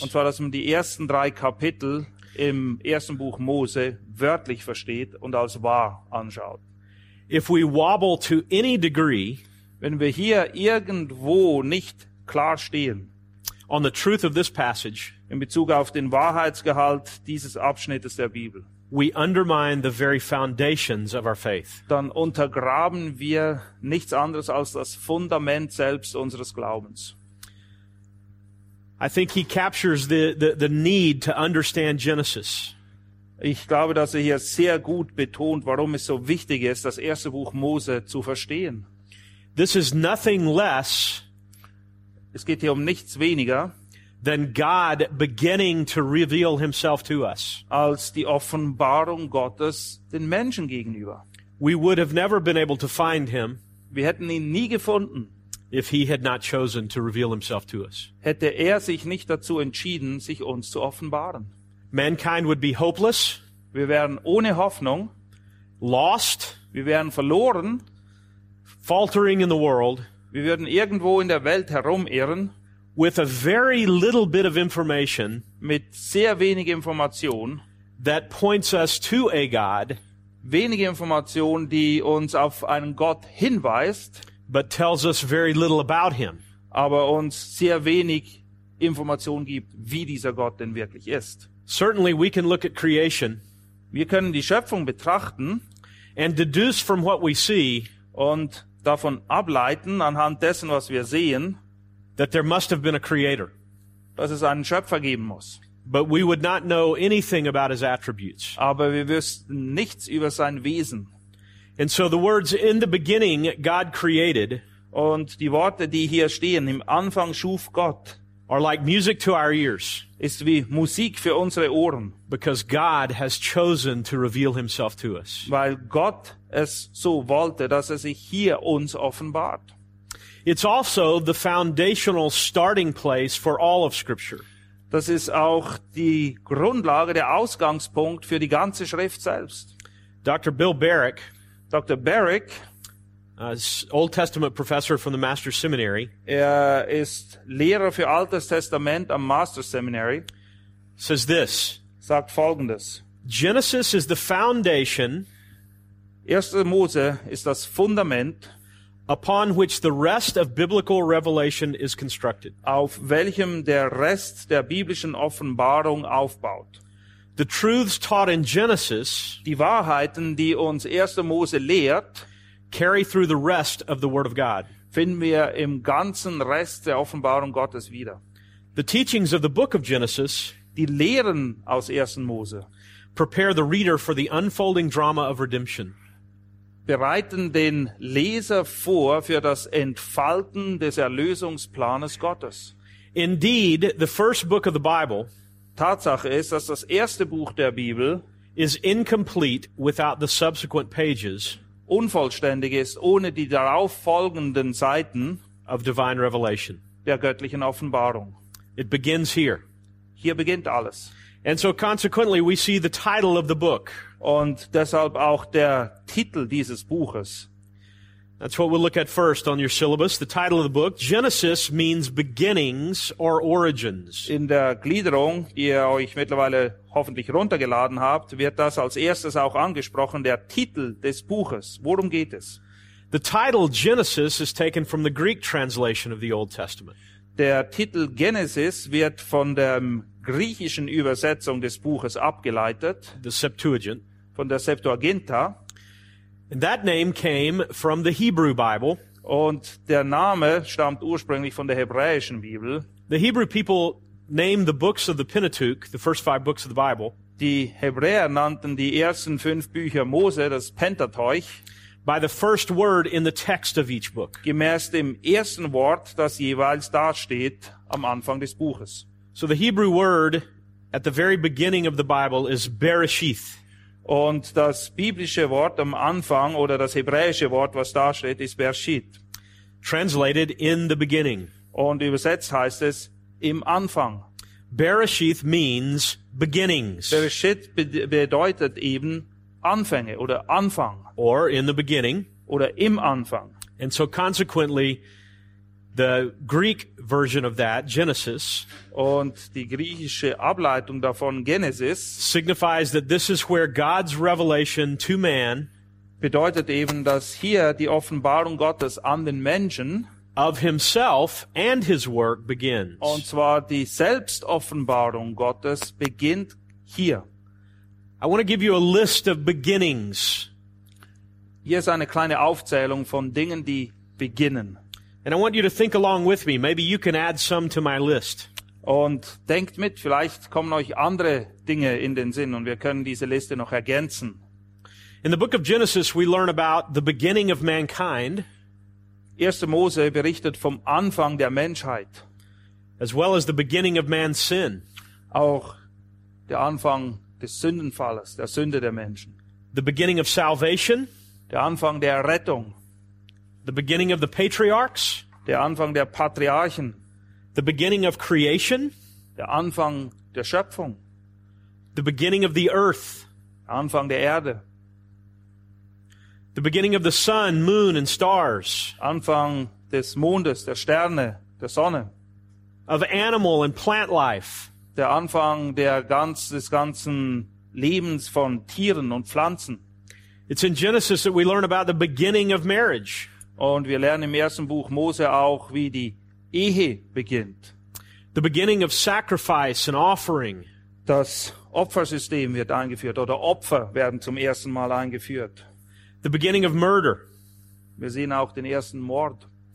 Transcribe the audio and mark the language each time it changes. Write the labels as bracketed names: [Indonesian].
[German] Und zwar, dass man die ersten drei Kapitel im ersten Buch Mose wörtlich versteht und als wahr anschaut. [English] If we wobble to any degree, [German] wenn wir hier irgendwo nicht klar stehen, [English] on the truth of this passage, [German] in Bezug auf den Wahrheitsgehalt dieses Abschnittes der Bibel, [English] we undermine the very foundations of our faith. [German] Dann untergraben wir nichts anderes als das Fundament selbst unseres Glaubens. [English] I think he captures the need to understand Genesis. [German] Ich glaube, dass er hier sehr gut betont, warum es so wichtig ist, das erste Buch Mose zu verstehen. [English] This is nothing less. [German] Es geht hier um nichts weniger [English] than God beginning to reveal himself to us. [German] Als die Offenbarung Gottes den Menschen gegenüber. [English] We would have never been able to find him. [German] Wir hätten ihn nie gefunden. [English] If he had not chosen to reveal himself to us. [German] Hätte er sich nicht dazu entschieden, sich uns zu offenbaren. [English] Mankind would be hopeless. [German] Wir wären ohne Hoffnung. [English] Lost. [German] Wir wären verloren. [English] Faltering in the world. [German] Wir würden irgendwo in der Welt herumirren. [English] With a very little bit of information. [German] Mit sehr wenig Information. [English] That points us to a God. [German] Wenige Information, die uns auf einen Gott hinweist. [English] But tells us very little about him. [German] Aber uns sehr wenig Information gibt, wie dieser Gott denn wirklich ist. [English] Certainly we can look at creation. [German] Wir können die Schöpfung betrachten. [English] And deduce from what we see. [German] Und davon ableiten, anhand dessen, was wir sehen. [English] That there must have been a creator. [German] Dass es einen Schöpfer geben muss. [English] But we would not know anything about his attributes. [German] Aber wir wüssten nichts über sein Wesen. [English] And so the words in the beginning God created, [German] und die Worte, die hier stehen, im Anfang schuf Gott, [English] are like music to our ears, [German] ist wie Musik für unsere Ohren, [English] because God has chosen to reveal himself to us. [German] Weil Gott es so wollte, dass er sich hier uns offenbart. [English] It's also the foundational starting place for all of Scripture. [German] Das ist auch die Grundlage, der Ausgangspunkt für die ganze Schrift selbst. [English] Dr. Bill Barrick, [German] Dr. Barrick, [English] Old Testament professor from the Master Seminary, [German] er ist Lehrer für Altes Testament am Master Seminary, [English] says this, [German] sagt folgendes, [English] Genesis is the foundation, [German] 1. Mose ist das Fundament, [English] upon which the rest of biblical revelation is constructed, [German] auf welchem der Rest der biblischen Offenbarung aufbaut. [English] The truths taught in Genesis, [German] die Wahrheiten, die uns 1. Mose lehrt, [English] carry through the rest of the Word of God, [German] finden wir im ganzen Rest der Offenbarung Gottes wieder. [English] The teachings of the book of Genesis, [German] die Lehren aus 1. Mose, [English] prepare the reader for the unfolding drama of redemption, [German] bereiten den Leser vor für das Entfalten des Erlösungsplanes Gottes. [English] Indeed, the first book of the Bible, [German] Tatsache ist, dass das erste Buch der Bibel [English] is incomplete without the subsequent pages, [German] unvollständig ist ohne die darauf folgenden Seiten [English] of divine revelation, [German] der göttlichen Offenbarung. [English] It begins here. [German] Hier beginnt alles. [English] And so consequently we see the title of the book. [German] Und deshalb auch der Titel dieses Buches. [English] That's what we'll look at first on your syllabus, the title of the book. Genesis means beginnings or origins. [German] In der Gliederung, die ihr euch mittlerweile hoffentlich runtergeladen habt, wird das als erstes auch angesprochen, der Titel des Buches. Worum geht es? [English] The title Genesis is taken from the Greek translation of the Old Testament. [German] Der Titel Genesis wird von der griechischen Übersetzung des Buches abgeleitet. [English] The Septuagint. [German] Von der Septuaginta. [English] And that name came from the Hebrew Bible. [German] Und der Name stammt ursprünglich von der hebräischen Bibel. [English] The Hebrew people named the books of the Pentateuch, the first five books of the Bible. [German] Die Hebräer nannten die ersten fünf Bücher Mose, das Pentateuch, [English] by the first word in the text of each book. [German] Gemäß dem ersten Wort, das jeweils dasteht am Anfang des Buches. [English] So the Hebrew word at the very beginning of the Bible is Bereshith. [German] Und das biblische Wort am Anfang oder das hebräische Wort, was da steht, ist Bereshit. [English] Translated in the beginning. [German] Und übersetzt heißt es im Anfang. [English] Bereshit means beginnings. [German] Bereshit bedeutet eben Anfänge oder Anfang. [English] Or in the beginning. [German] Oder im Anfang. [English] And so consequently, the Greek version of that, Genesis, [German] und die griechische Ableitung davon, Genesis, [English] signifies that this is where God's revelation to man, [German] bedeutet eben, dass hier die Offenbarung Gottes an den Menschen, [English] of himself and his work begins. [German] Und zwar die Selbstoffenbarung Gottes beginnt hier. [English] I want to give you a list of beginnings. [German] Hier ist eine kleine Aufzählung von Dingen, die beginnen. [English] And I want you to think along with me. Maybe you can add some to my list. [German] Und denkt mit, vielleicht kommen euch andere Dinge in den Sinn und wir können diese Liste noch ergänzen. [English] In the book of Genesis, we learn about the beginning of mankind. [German] 1. Mose berichtet vom Anfang der Menschheit. [English] As well as the beginning of man's sin. [German] Auch der Anfang des Sündenfalles, der Sünde der Menschen. [English] The beginning of salvation. [German] Der Anfang der Errettung. [English] The beginning of the patriarchs. [German] Der Anfang der Patriarchen. [English] The beginning of creation. [German] Der Anfang der Schöpfung. [English] The beginning of the earth. [German] Anfang der Erde. [English] The beginning of the sun, moon, and stars. [German] Anfang des Mondes, der Sterne, der Sonne. [English] Of animal and plant life. [German] Der Anfang des ganzen Lebens von Tieren und Pflanzen. [English] It's in Genesis that we learn about the beginning of marriage. [German] Und wir lernen im ersten Buch Mose auch, wie die Ehe beginnt. [English] The beginning of sacrifice and offering. [German] Das Opfersystem wird eingeführt oder Opfer werden zum ersten Mal eingeführt. [English] The beginning of murder. [German] Wir sehen auch den ersten Mord.